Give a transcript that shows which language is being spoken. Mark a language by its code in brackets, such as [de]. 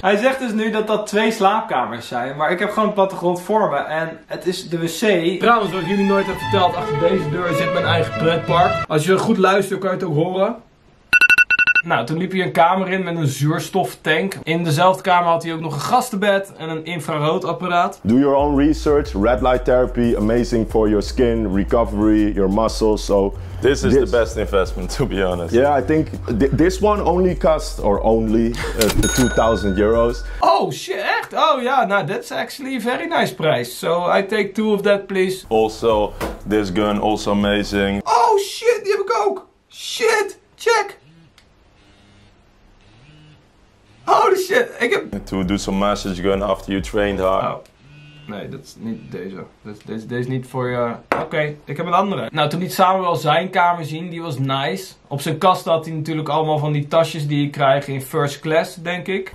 [nl] Hij zegt dus nu dat twee slaapkamers zijn. Maar ik heb gewoon een plattegrond voor me en het is de wc. Trouwens, wat jullie nooit hebben verteld, achter deze deur zit mijn eigen pretpark. Als je goed luistert, kan je het ook horen. Nou, toen liep hij een kamer in met een zuurstoftank. In dezelfde kamer had hij ook nog een gastenbed en een infraroodapparaat. [en] Do your own research. Red light therapy, amazing for your skin, recovery, your muscles. So this is this... the best investment, to be honest. Yeah, I think this one only cost, or only, 2000 euros. Oh, shit, [nl] echt? [en] Oh, yeah, now that's actually a very nice price. So I take two of that, please. Also, this gun, also amazing. Oh, shit, [nl] die heb ik ook. Shit, check. [en] Holy shit, [nl] ik heb... [en] To do some massage gun after you trained hard. [nl] Oh. Nee, dat is niet deze. Deze is niet voor je... Oké, ik heb een andere. Nou, toen liet Samuel zijn kamer zien, die was nice. Op zijn kast had hij natuurlijk allemaal van die tasjes die je krijgt in first class, denk ik.